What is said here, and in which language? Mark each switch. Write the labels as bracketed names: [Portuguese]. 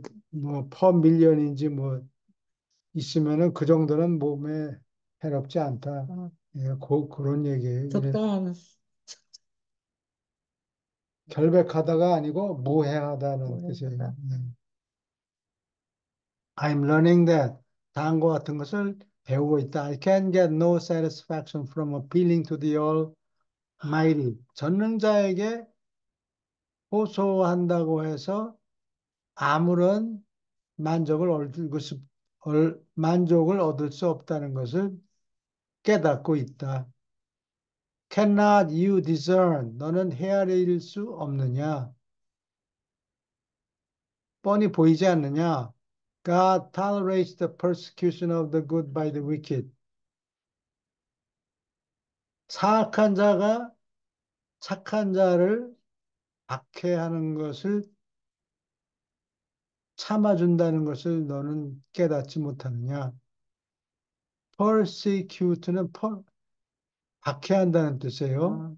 [Korean] 뭐, 퍼 밀리언인지 뭐, 있으면은 그 정도는 몸에 해롭지 않다. 예, 그런 얘기예요. 이래. 적당한 결백하다가 아니고, 무해하다는 뜻이에요. 예. [English] I'm learning that. [Korean] 다음과 같은 것을 배우고 있다. [English] I can get no satisfaction from appealing to the Almighty. [Korean] 전능자에게 호소한다고 해서 아무런 만족을 얻을 만족을 얻을 수 없다는 것을 깨닫고 있다. [English] Cannot you discern? [Korean] 너는 헤아릴 수 없느냐? 뻔히 보이지 않느냐? [English] God tolerates the persecution of the good by the wicked. [Korean] 사악한 자가 착한 자를 박해하는 것을 참아준다는 것을 너는 깨닫지 못하느냐? Persecute는 박해한다는 뜻이에요.